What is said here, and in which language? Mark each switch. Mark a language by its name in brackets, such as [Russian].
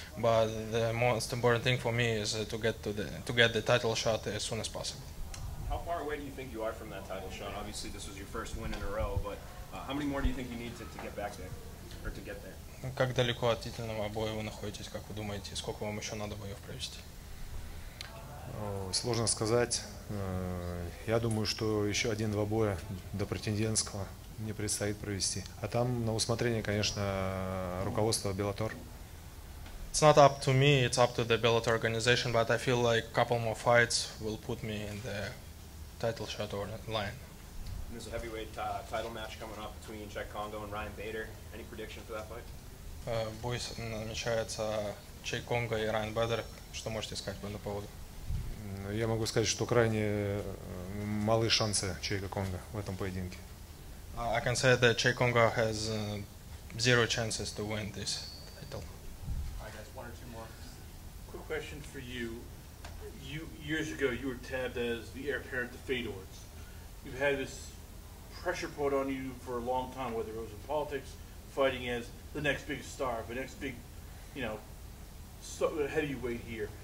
[English] But the most important thing for me is to get the title shot as soon as possible. How far away do you think you are from that title shot? Obviously, this was your first win in a row, but how many more do you think you need to get back there, or to get there? [Russian] Как далеко от титульного боя вы находитесь, как вы думаете, сколько вам еще надо боев провести? Сложно сказать. Я думаю, что еще 1-2 боя до претендентского мне предстоит провести. А там на усмотрение, конечно, руководство Bellator. [English] It's not up to me, it's up to the Bellator organization, but I feel like a couple more fights will put me in the title shot or line. There's a heavyweight title match coming up between Czech Congo and Ryan Bader. Any prediction for that fight? [Russian] Бой намечается Czech Congo и Ryan Bader. Что можете сказать по этому поводу? Я могу сказать, что крайне малые шансы Чайка Конго в этом поединке. [English] I can say that Czech Congo has zero chances to win this title. All right, guys, one or two more. Quick question for you. years ago, you were tabbed as the heir apparent to Fedor's. You've had this pressure put on you for a long time, whether it was in politics, fighting as the next big star, the next big, you know, heavyweight here.